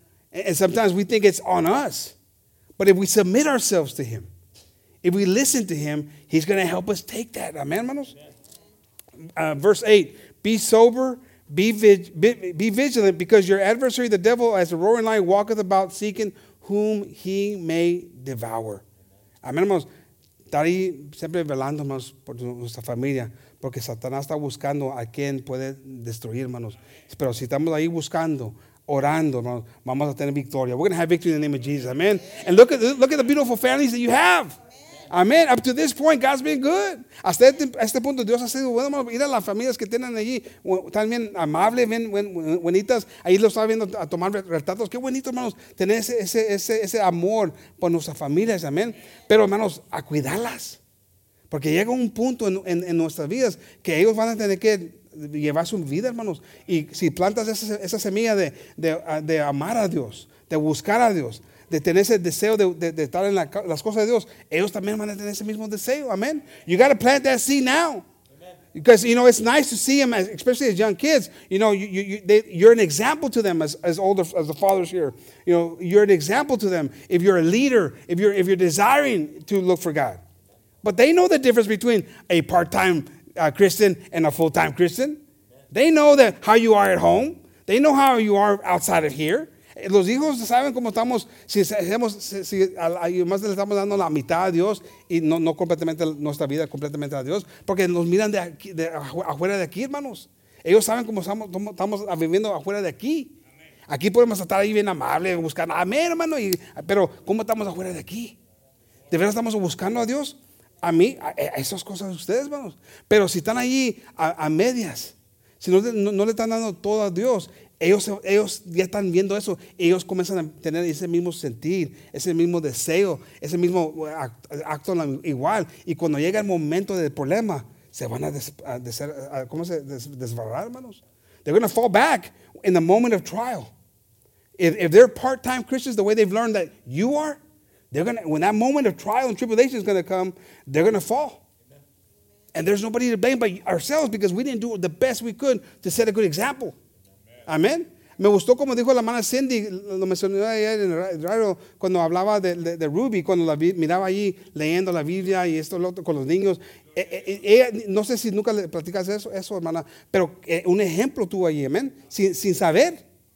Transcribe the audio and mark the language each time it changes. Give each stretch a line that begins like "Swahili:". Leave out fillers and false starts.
English: And sometimes we think it's on us. But if we submit ourselves to him, if we listen to him, he's going to help us take that. Amen, hermanos? Verse 8, be sober, be vigilant, because your adversary, the devil, as a roaring lion, walketh about seeking whom he may devour.
Spanish: Amen, hermanos? Está ahí siempre velando, hermanos, por nuestra familia, porque Satanás está buscando a quien puede destruir, hermanos. Pero si estamos ahí buscando, orando, hermanos, vamos a tener victoria.
English: We're going to have victory in the name of Jesus. Amen. And look at the beautiful families that you have. Amen. Up to this point, God's been good.
Spanish: Hasta este punto, Dios ha sido bueno. Mira las familias que tienen allí. También amable, bien, buenitas. Ahí lo está viendo a tomar retratos. Qué bonito, hermanos, tener ese amor por nuestras familias. Amen. Pero, hermanos, a cuidarlas. Porque llega un punto en nuestras vidas que ellos van a tener que llevar su vida, hermanos. Y si plantas esa semilla de amar a Dios, de buscar a Dios, de tener ese deseo de estar en las cosas de Dios, ellos también van a tener ese mismo deseo.
English: Amen. You got to plant that seed now. Amen. Because, you know, it's nice to see them, especially as young kids. You know, you're an example to them as older the fathers here. You know, you're an example to them if you're a leader, if you're desiring to look for God. But they know the difference between a part-time Christian and a full-time Christian. They know that how you are at home. They know how you are outside of here.
Spanish: Los hijos saben cómo estamos, si más le estamos dando la mitad a Dios y no completamente nuestra vida completamente a Dios, porque nos miran de afuera de aquí, hermanos. Ellos saben cómo estamos viviendo afuera de aquí. Aquí podemos estar ahí bien amable, buscando, amén, hermano, pero ¿cómo estamos afuera de aquí? ¿De verdad estamos buscando a Dios? A mí, a esas cosas de ustedes, hermanos. Pero si están allí a medias, si no le están dando todo a Dios, ellos ya están viendo eso. Ellos comienzan a tener ese mismo sentir, ese mismo deseo, ese mismo acto igual. Y cuando llega el momento del problema, se van a desbarrar, hermanos.
English: They're going to fall back in the moment of trial. If they're part-time Christians, the way they've learned that you are, when that moment of trial and tribulation is going to come, they're going to fall. Amen. And there's nobody to blame but ourselves because we didn't do the best we could to set a good example. Amen.
Spanish: Me gustó como dijo la hermana Cindy, lo mencioné ayer en el radio, cuando hablaba de Ruby, cuando la miraba allí leyendo la Biblia y esto lo otro con los niños. Ella, no sé si nunca le platicas eso, hermana, pero un ejemplo tuvo allí, amen, sin saber.